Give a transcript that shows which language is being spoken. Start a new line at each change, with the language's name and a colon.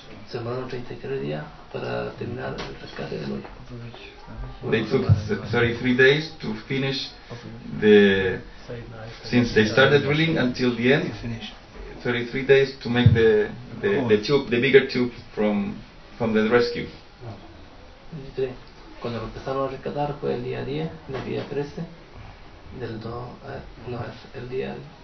Spanish: Se demoraron 33 días para terminar el rescate de Moisés.
English: They took 33 days to finish the. Since they started drilling until the end, 33 days to make the tube, the bigger tube from the rescue. 23.
Spanish: Cuando empezaron a rescatar fue el día 10, el día 13 del 2, no, el día